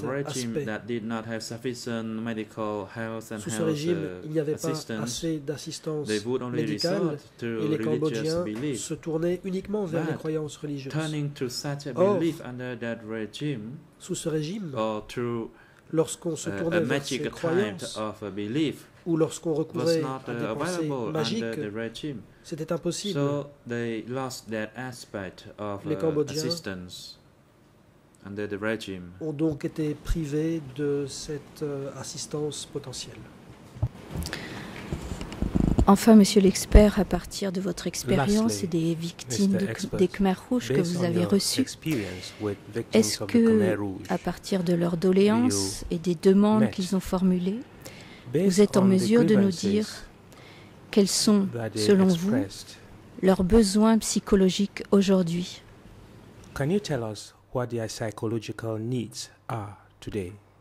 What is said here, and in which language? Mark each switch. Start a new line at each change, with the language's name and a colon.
English: For a regime that did not have sufficient medical health and assistance, they would only resort to religious belief.
French: Se tournaient uniquement vers les croyances religieuses.
English: Turning to such a belief under that regime,
French: sous ce régime,
English: or to
French: lorsqu'on se tournait vers ces croyances, ou lorsqu'on recourait à des pensées magiques, c'était impossible.
English: So they lost that aspect of
French: les Cambodgiens
English: under the regime.
French: Ont donc été privés de cette assistance potentielle. Enfin, monsieur l'expert, à partir de votre expérience et des victimes des Khmer Rouges que vous avez reçues, est-ce que, à partir de leurs doléances et des demandes qu'ils ont formulées, vous êtes en mesure de nous dire quels sont, selon vous, leurs besoins psychologiques aujourd'hui?
English: Can you tell us what their psychological needs are today?